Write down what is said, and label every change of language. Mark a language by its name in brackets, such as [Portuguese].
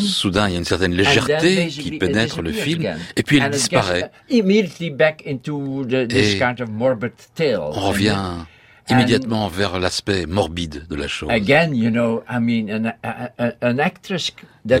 [French] Soudain, il y a une certaine légèreté qui pénètre le film, et puis elle disparaît. [English] Immediately back into this kind of morbid tale. [French] On revient immédiatement vers l'aspect morbide de la chose. [English] Again, you know, I mean, an actress that